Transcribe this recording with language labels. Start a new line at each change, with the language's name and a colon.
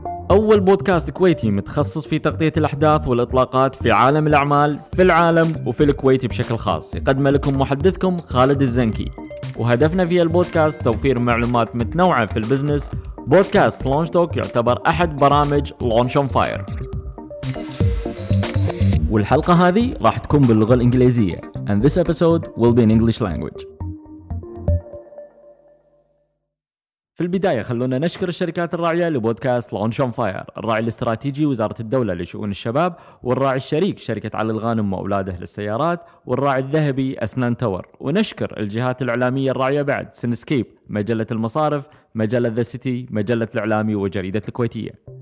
Arabic: أول بودكاست كويتي متخصص في تغطية الأحداث والإطلاقات في عالم الأعمال في العالم وفي الكويت بشكل خاص، يقدم لكم محدثكم خالد الزنكي، وهدفنا في البودكاست توفير معلومات متنوعة في البزنس. بودكاست لونش توك يعتبر أحد برامج لونش أون فاير، والحلقة هذه راح تكون باللغة الإنجليزية.
English: And this episode will be in English language.
Arabic: في البداية خلونا نشكر الشركات الراعية لبودكاست لونش أون فاير، الراعي الاستراتيجي وزارة الدولة لشؤون الشباب، والراعي الشريك شركة علي الغانم وأولاده للسيارات، والراعي الذهبي أسنان تور. ونشكر الجهات الإعلامية الراعية بعد سينسكيب، مجلة المصارف، مجلة ذا سيتي، مجلة الإعلامي وجريدة الكويتية.